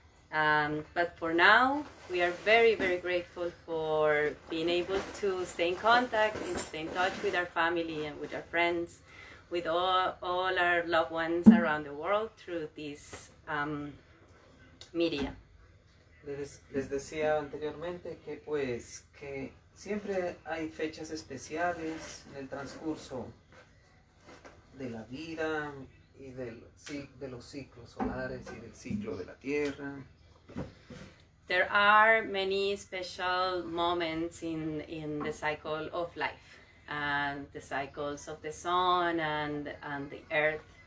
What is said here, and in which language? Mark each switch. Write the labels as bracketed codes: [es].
[en] But for now, we are very, very grateful for being able to stay in contact and stay in touch with our family and with our friends, with all our loved ones around the world through this media. [es] Les decía anteriormente que pues que siempre hay fechas especiales en el transcurso de la vida y de los ciclos solares y del ciclo de la Tierra. [en] There are many special moments in the cycle of life and the cycles of the sun and the earth.